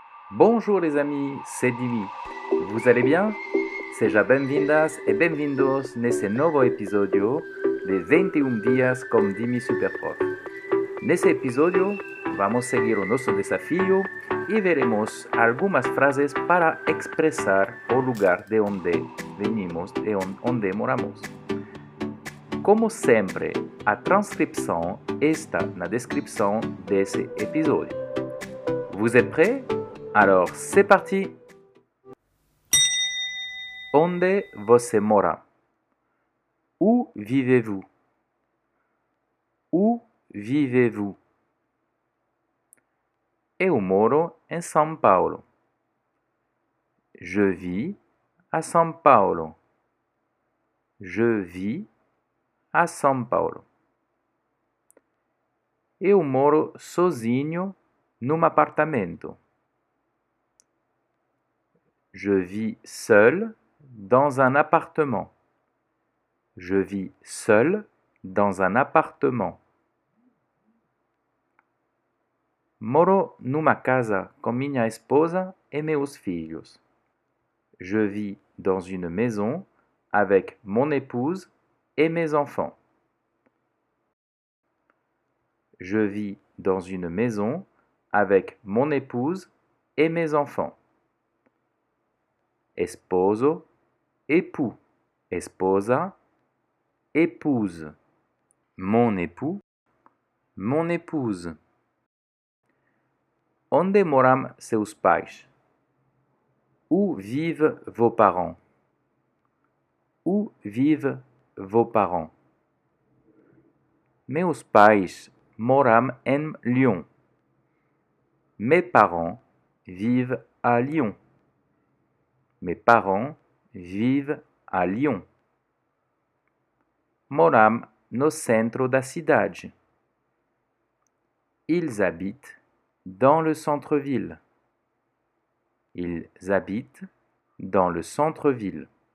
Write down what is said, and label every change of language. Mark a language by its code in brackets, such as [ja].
[fr] Bonjour les amis, c'est Divi. Vous allez bien? [pt] Seja bem-vindas e bem-vindos nesse novo episódio de 21 dias com Divi Superprof. Nesse episódio, vamos seguir o nosso desafio e veremos algumas frases para expressar o lugar de onde venimos e onde moramos. Como sempre, a transcrição está na descrição desse episódio. [fr] Vous êtes prêts? Alors, c'est parti! [pt] Onde você mora? [fr] Où vivez-vous? Où vivez-vous? [pt] Eu moro em São Paulo. [fr] Je vis à São Paulo. Je vis à São Paulo. [pt] Eu moro sozinho num apartamento. [fr] Je vis seul dans un appartement. Je vis seul dans un appartement. [pt] Moro numa casa com minha esposa e meus filhos. [fr] Je vis dans une maison avec mon épouse et mes enfants. Je vis dans une maison avec mon épouse et mes enfants. Esposo, époux, esposa, épouse, mon époux, mon épouse. [pt] Onde moram seus pais? [fr] Où vivent vos parents? Où vivent vos parents? [pt] Meus pais moram em Lyon. [fr] Mes parents vivent à Lyon. Mes parents vivent à Lyon. [pt] Moram no centro da cidade. [fr] Ils habitent dans le centre-ville. Ils habitent dans le centre-ville.